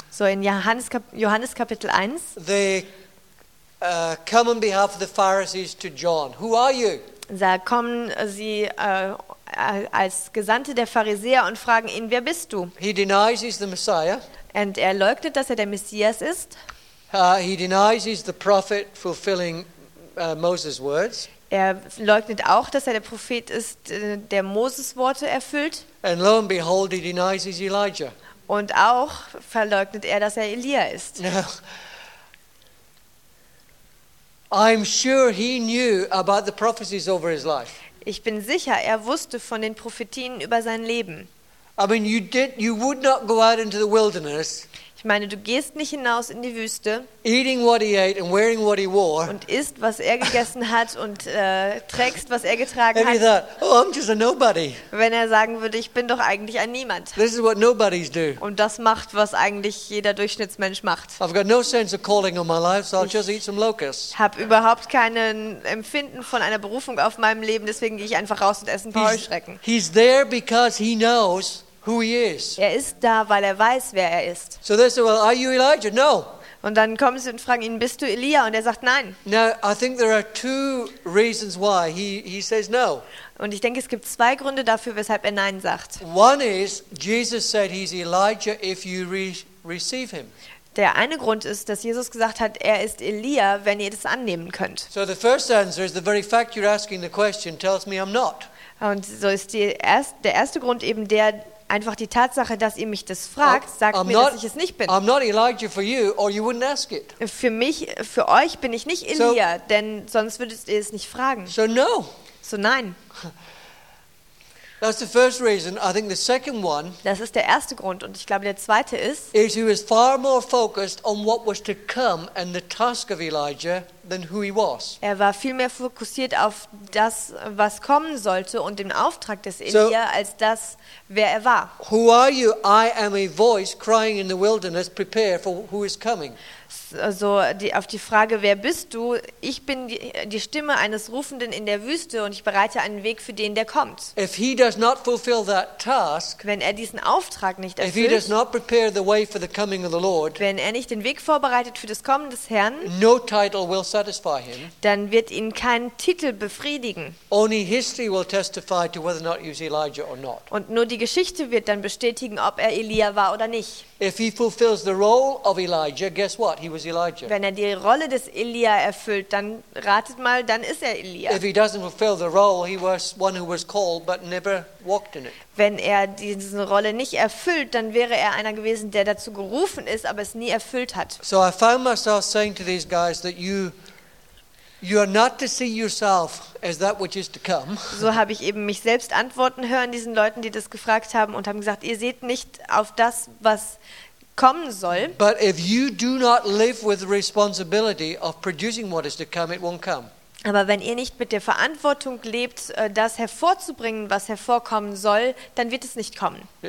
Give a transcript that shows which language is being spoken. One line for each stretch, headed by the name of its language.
German: so in Johannes Kapitel 1,
English: the come on behalf of the Pharisees to John. Who are you?
German: Sagt, kommen Sie als Gesandte der Pharisäer und fragen ihn, wer bist du?
English: He denies he's the Messiah.
German: Und er leugnet, dass er der Messias ist.
English: He denies he's the prophet fulfilling Moses' words.
German: Er leugnet auch, dass er der Prophet ist, der Moses Worte erfüllt.
English: And lo and behold, he denies he's Elijah.
German: Und auch verleugnet er, dass er Elia ist.
English: I'm sure he knew about the prophecies over his life.
German: Ich bin sicher, er wusste von den Prophetien über sein Leben.
English: I mean, you would not go out into the wilderness.
German: Ich meine, du gehst nicht hinaus in die Wüste.
English: Eating what he ate and wearing what he wore.
German: Und isst, was er gegessen hat und trägst, was er getragen hat.
English: And he thought, oh, I'm just a nobody.
German: Wenn er sagen würde, ich bin doch eigentlich ein Niemand.
English: This is what nobodies do.
German: Und das macht, was eigentlich jeder Durchschnittsmensch macht.
English: I've got no sense of calling on my life, so I'll just eat some locusts.
German: Ich habe überhaupt keinen Empfinden von einer Berufung auf meinem Leben, deswegen gehe ich einfach raus und esse ein paar Heuschrecken.
English: He's there because he knows. Who he is.
German: Er ist da, weil er weiß, wer er ist.
English: So they say, well, are you Elijah? No.
German: Und dann kommen sie und fragen ihn, bist du Elia? Und er sagt, nein.
English: Now, I think there are two reasons why he says no.
German: Und ich denke, es gibt zwei Gründe dafür, weshalb er nein sagt.
English: One is, Jesus said he's Elijah if you receive him.
German: Der eine Grund ist, dass Jesus gesagt hat, er ist Elia, wenn ihr das annehmen könnt.
English: So the first answer is the very fact you're asking the question tells me I'm not.
German: Und so ist der erste Grund eben der, einfach die Tatsache, dass ihr mich das fragt, sagt
English: I'm
German: mir,
English: not,
German: dass ich es nicht bin.
English: I'm not Elijah for you, or you wouldn't ask it.
German: Für mich, für euch bin ich nicht Elia, so, denn sonst würdet ihr es nicht fragen.
English: So no.
German: So nein.
English: That's the first reason. I think the second one.
German: Das ist der erste Grund, und ich glaube, der zweite ist.
English: Is he was far more focused on what was to come and the task of Elijah than who he was.
German: Er war viel mehr fokussiert auf das, was kommen sollte, und den Auftrag des Elia, als das, wer er war.
English: Who are you? I am a voice crying in the wilderness. Prepare for who is coming.
German: Also auf die Frage, wer bist du? Ich bin die Stimme eines Rufenden in der Wüste und ich bereite einen Weg für den, der kommt.
English: If he does not fulfill that task,
German: wenn er diesen Auftrag nicht erfüllt, wenn er nicht den Weg vorbereitet für das Kommen des Herrn,
English: no title will satisfy him,
German: dann wird ihn kein Titel befriedigen.
English: Only history will testify to whether or not he was Elijah or not.
German: Und nur die Geschichte wird dann bestätigen, ob er Elia war oder nicht.
English: If he fulfills the role of Elijah, guess what? He was Elijah.
German: Wenn er die Rolle des Elia erfüllt, dann ratet mal, dann ist er Elia.
English: If he doesn't fulfill the role, he was one who was called but never walked in it.
German: Wenn er diese Rolle nicht erfüllt, dann wäre er einer gewesen, der dazu gerufen ist, aber es nie erfüllt hat.
English: So I found myself saying to these guys that you are not to see yourself as that which is to come.
German: So habe ich eben mich selbst antworten hören diesen Leuten, die das gefragt haben, und haben gesagt, ihr seht nicht auf das, was kommen soll.
English: But if you do not live with the responsibility of producing what is to come, it won't come.
German: Aber wenn ihr nicht mit der Verantwortung lebt, das hervorzubringen, was hervorkommen soll, dann wird es nicht kommen.